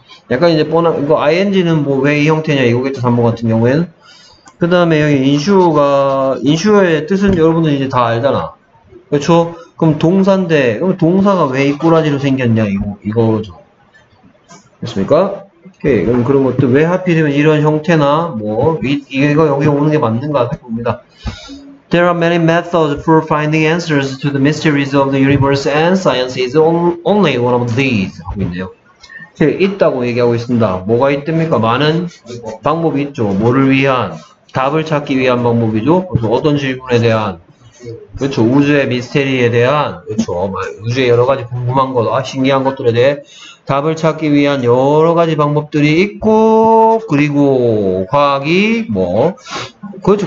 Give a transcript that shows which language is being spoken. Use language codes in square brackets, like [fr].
[ko] 약간 이제 뻔한 이거 ing는 뭐 왜 이 형태냐 이거겠죠. 3번 같은 경우에는 그 다음에 여기 insure가 insure의 뜻은 여러분들 이제 다 알잖아. 그렇죠? 그럼 동사인데 그럼 동사가 왜 이 꼬라지로 생겼냐 이거죠. 됐습니까? 오케이. 그럼 그런 것도 왜 하필이면 이런 형태나 뭐 이거 여기 오는 게 맞는가 봅니다. [en] There are many methods for finding answers to the mysteries of the universe and science is only one of these. [ko] 하고 있네요. 있다고 얘기하고 있습니다. 뭐가 있답니까? 많은 방법이 있죠. 뭐를 위한? 답을 찾기 위한 방법이죠. 그래서 어떤 질문에 대한? 그렇죠. 우주의 미스테리에 대한? 그렇죠. 우주의 여러 가지 궁금한 것, 신기한 것들에 대해 답을 찾기 위한 여러 가지 방법들이 있고, 그리고 과학이 뭐, 그렇죠.